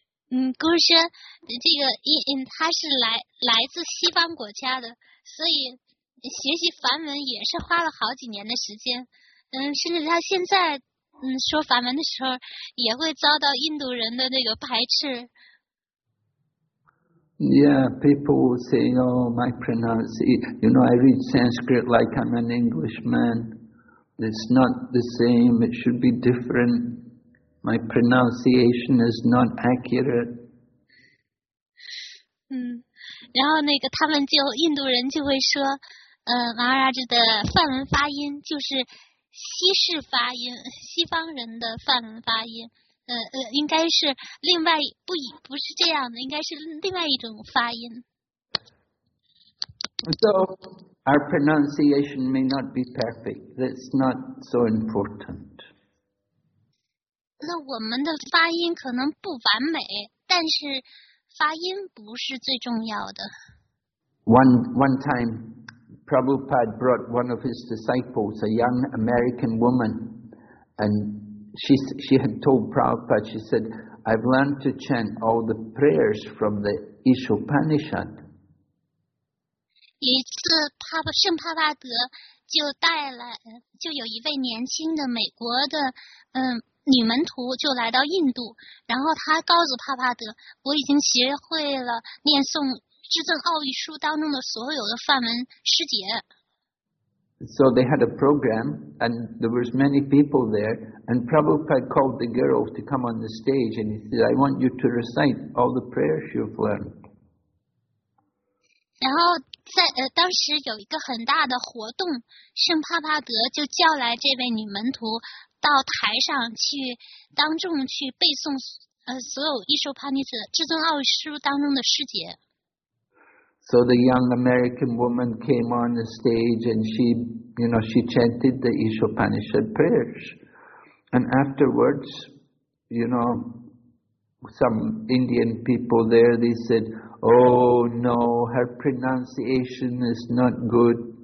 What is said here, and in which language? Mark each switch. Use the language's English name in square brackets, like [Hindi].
[Chinese] 姑姑这个他是来自西方国家的，所以学习梵文也是花了好几年的时间。甚至他现在说梵文的时候也会遭到印度人的那个排斥。 [English] Yeah, people will say, oh, my pronunciation, you know, I read Sanskrit like I'm an Englishman. It's not the same, it should be different. My pronunciation is not accurate. [Chinese] 然后那个他们就印度人就会说，马哈拉兹的梵文发音就是西式发音，西方人的梵文发音，应该是另外不是这样的，应该是另外一种发音。 [English] So our pronunciation may not be perfect. That's not so important. [Chinese] 那我们的发音可能不完美，但是发音不是最重要的。 [English] One time, Prabhupada brought one of his disciples, a young American woman, and she had told Prabhupada, she said, "I've learned to chant all the prayers from the Ishopanishad." [Chinese] 一次，圣帕巴德就带来，就有一位年轻的美国的，女门徒就来到印度，然后她告诉帕帕德，我已经学会了念诵《至憎奥义书》当中的所有的梵文诗节。 [English] So they had a program, and there was many people there, and Prabhupada called the girls to come on the stage, and he said, "I want you to recite all the prayers you've learned." [Chinese] 然后在当时有一个很大的活动，圣帕帕德就叫来这位女门徒。到台上去当众去背诵所有伊修帕尼舍至尊奥义书当中的诗节。 [English] So the young American woman came on the stage and she, you know, she chanted the Ishopanishad prayers. And afterwards, you know, some Indian people there, they said, "Oh no, her pronunciation is not good."